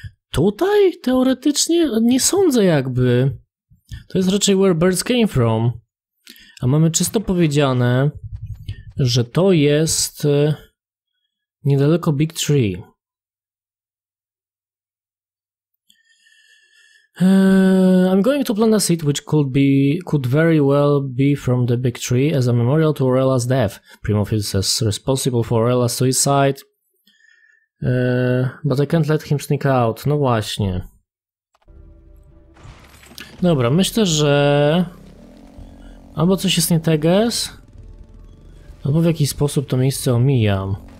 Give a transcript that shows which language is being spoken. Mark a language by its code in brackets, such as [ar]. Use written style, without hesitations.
[pl] Tutaj? Teoretycznie? Nie sądzę jakby. To jest raczej Where Birds Came From. A mamy czysto powiedziane, że to jest niedaleko Big Tree. [en] I'm going to plant a seed which could very well be from the big tree as a memorial to Orella's death. Primofis is responsible for Orella's suicide. But I can't let him sneak out. [pl] No właśnie. Dobra, myślę, że albo coś jest nie teges, albo w jakiś sposób to miejsce omijam.